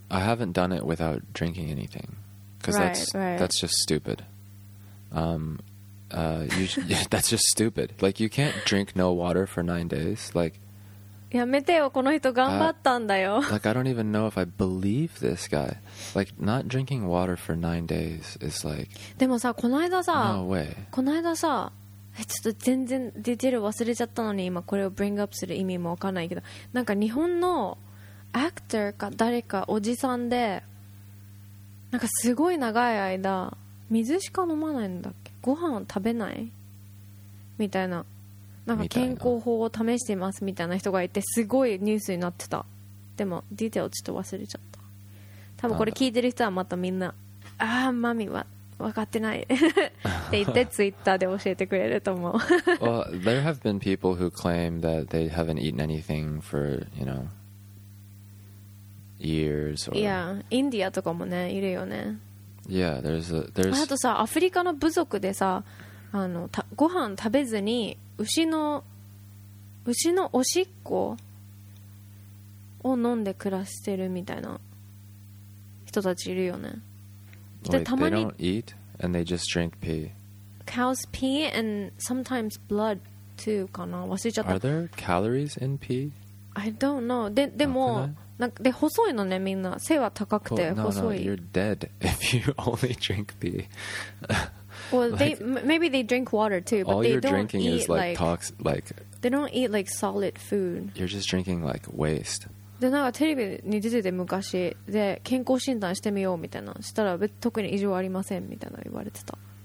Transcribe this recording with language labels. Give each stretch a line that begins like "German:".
English: I haven't done it without drinking anything, because that's just stupid. That's just stupid. Like you can't drink no water for 9 days. Like.
Japanese: やめてよ、この人頑張ったんだよ。
English: Like, I don't even know if I believe this guy. Like, not drinking water for 9 days is like...
Japanese: でもさ、この間さ、
English: No way.
Japanese: この間さ、ちょっと全然ディテール忘れちゃったのに、今これを
English: bring up
Japanese: する意味もわかんないけど、なんか日本のアクターか誰かおじさんで、なんかすごい長い間、水しか飲まないんだっけ？ご飯を食べないみたいな。なんか健康法を試してますみたいな人がいて、すごいニュースになってた。でもディテールちょっと忘れちゃった。多分これ聞いてる人はまたみんな、ああマミは分かってないって言ってツイッターで教えてくれると思う。
English: Well, there have been people who claim that they haven't eaten anything for, you know, years or...
Japanese: Yeah, インディアとかもね、いるよね。
English: Yeah, there's
Japanese: あとさ、アフリカの部族でさ、あのご飯食べずに牛のおしっこを飲んで暮らしてるみたいな人たちいるよね。
English: Wait,
Japanese: でたまに
English: they don't eat and they just drink pee. Cows pee and sometimes blood too
Japanese: かな、忘れちゃった。
English: Are there calories in pee? I don't know.
Japanese: でもなんかで細いのね、みんな背は高くて細い。
English: Oh, no, you're dead if you only drink pee. Well, like, maybe they drink water too, but they don't eat is like, they don't eat like solid food. You're just drinking like waste.
Japanese: でなんかテレビに出てて昔で健康診断してみようみたいなしたら特に異常ありませんみたいな言われてた。